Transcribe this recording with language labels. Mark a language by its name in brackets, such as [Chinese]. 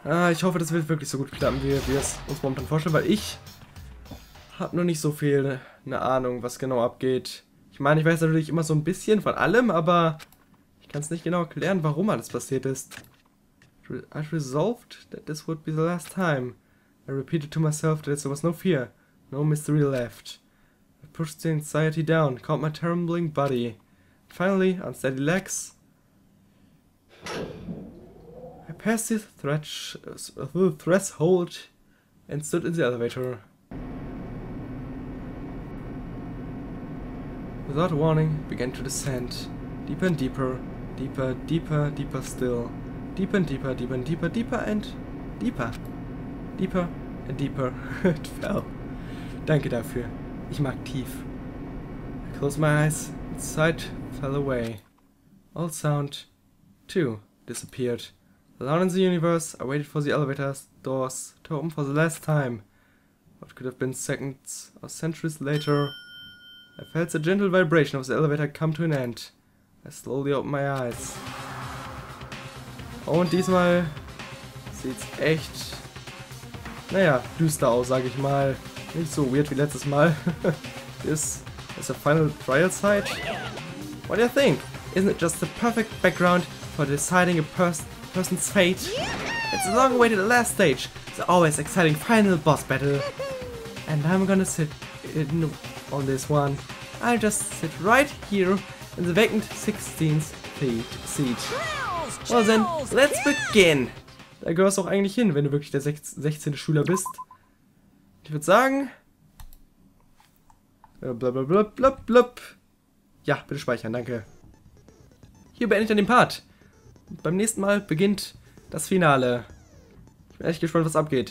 [German] Ich hoffe, das wird wirklich so gut klappen, wie wir es uns momentan vorstellen, weil ich hab nur nicht so viel eine Ahnung, was genau abgeht. Ich meine, ich weiß natürlich immer so ein bisschen von allem, aber ich kann es nicht genau erklären, warum alles passiert ist. [English] I resolved that this would be the last time. I repeated to myself that there was no fear, no mystery left. I pushed the anxiety down, caught my trembling body. Finally, on steady legs, I passed the threshold and stood in the elevator. Without warning, began to descend. Deeper and deeper, deeper, deeper, deeper still. Deeper and deeper, deeper and deeper, deeper and deeper. Deeper and deeper. It fell. [German] Danke dafür. Ich mag tief. [English] I closed my eyes. The sight fell away. All sound, too, disappeared. Alone in the universe, I waited for the elevator's doors to open for the last time. What could have been seconds or centuries later? I felt the gentle vibration of the elevator come to an end. I slowly opened my eyes. [German] Oh, und diesmal sieht's echt, naja, düster aus, sag ich mal. Nicht so weird wie letztes Mal. [English] This is a final trial site. What do you think? Isn't it just the perfect background for deciding a person's fate? It's a long-awaited last stage. It's always exciting final boss battle. And I'm gonna sit in on this one. I'll just sit right here in the vacant 16th seat. Well then, let's begin! [German] Da gehörst du auch eigentlich hin, wenn du wirklich der 16. Schüler bist. Ich würde sagen... Ja, bitte speichern, danke. Hier beende ich dann den Part. Und beim nächsten Mal beginnt das Finale. Ich bin echt gespannt, was abgeht.